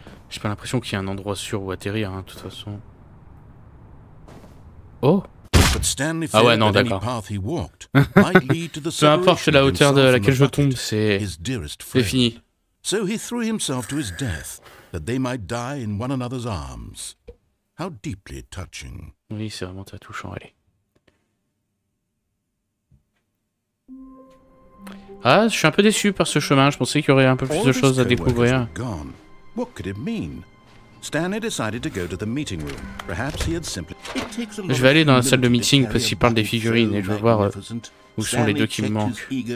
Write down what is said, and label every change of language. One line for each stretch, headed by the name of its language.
French: J'ai pas l'impression qu'il y a un endroit sûr où atterrir, hein, de toute façon. Oh!
English: But
French: Stanley ah ouais, non, d'accord. Peu importe la hauteur de laquelle je tombe, c'est fini.
English: So he threw himself to his death, that they might die in one another's arms. How deeply touching.
French: Oui, c'est vraiment très touchant, allez. Ah, je suis un peu déçu par ce chemin, je pensais qu'il y aurait un peu plus de choses à découvrir.
English: What could it mean? Stanley decided to go to the meeting room. Perhaps he had simply...
French: Je vais aller dans la salle de meeting parce qu'il parle des figurines et je veux voir où sont les deux qui me manquent.